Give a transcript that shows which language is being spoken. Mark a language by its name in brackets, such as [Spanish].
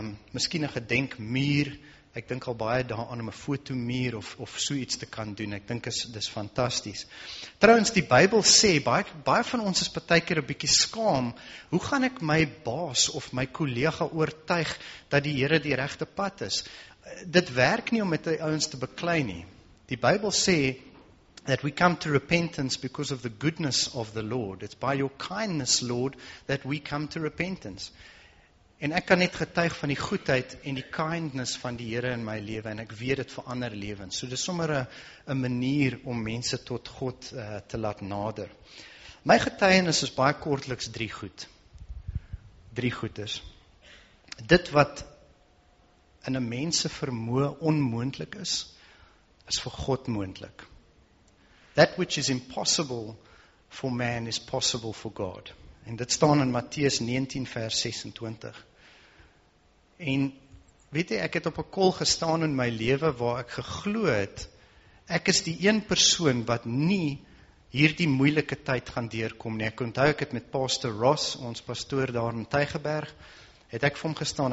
[Afrikaans] Miskien 'n gedenkmuur, ek dink al baie daaraan om 'n fotomuur of so iets te kan doen, ek dink dis fantasties. Trouwens, die Bybel sê, baie van ons is partykeer 'n bietjie skaam, hoe gaan ek my baas of my kollega oortuig dat die Here die regte pad is? Dit werk nie om met die ouens te beklei nie. Die Bybel sê, [English] that we come to repentance because of the goodness of the Lord. It's by your kindness, Lord, that we come to repentance. [Afrikaans] En ek kan net getuig van die goedheid en die kindness van die Here in my lewe, en ek weet dit vir ander lewens. So dis sommer 'n manier om mense tot God te laat nader. My getuienis is baie kortliks drie goed. Drie goeders. Dit wat in 'n mens se vermoë onmoontlik is, is vir God moontlik. [English] That which is impossible for man is possible for God. [Afrikaans] En dit staan in Matteus 19 vers 26. En weet jy, ek het op 'n kol gestaan in my lewe waar ek geglo het, ek is die een persoon wat nie hierdie moeilike tyd gaan deurkom nie. Ek onthou ek het met Pastor Ross, ons pastoor daar in Tygerberg, het ek vir hom gestaan.